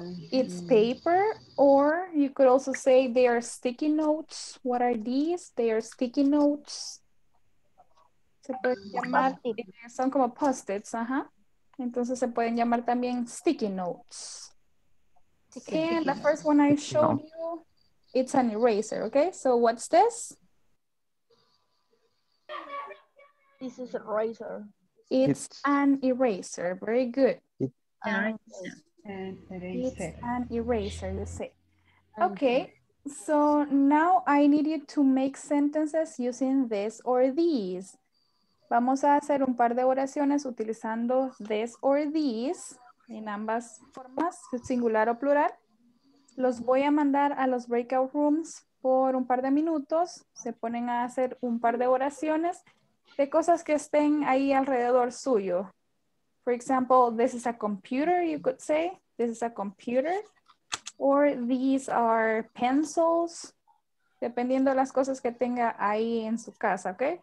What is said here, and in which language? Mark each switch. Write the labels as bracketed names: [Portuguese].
[English] It's paper, or you could also say they are sticky notes. What are these? They are sticky notes. [Spanish] Se pueden llamar, son como post-its, ajá. Entonces se pueden llamar también sticky notes. Sticky. [English] And the first one I showed you, it's an eraser, okay? So what's this? This is a eraser. It's an eraser, very good. It's an eraser, you say. Okay, so now I need you to make sentences using this or these. [Spanish] Vamos a hacer un par de oraciones utilizando this or these en ambas formas, singular o plural. Los voy a mandar a los breakout rooms por un par de minutos. Se ponen a hacer un par de oraciones de cosas que estén ahí alrededor suyo. [English] For example, this is a computer, you could say. This is a computer. Or these are pencils. [Spanish] Dependiendo de las cosas que tenga ahí en su casa, okay?